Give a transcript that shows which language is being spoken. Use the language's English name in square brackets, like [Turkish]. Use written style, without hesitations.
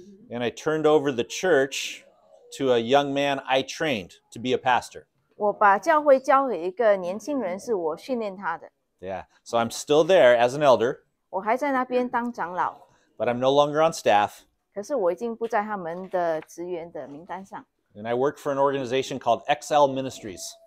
[English] And I turned over the church to a young man I trained to be a pastor. [Chinese] 我把教会交给一个年轻人，是我训练他的. [English] Yeah. So I'm still there as an elder. [Chinese] 我还在那边当长老. [English] But I'm no longer on staff. [Chinese] 可是我已经不在他们的职员的名单上. [English] And I work for an organization called XL Ministries.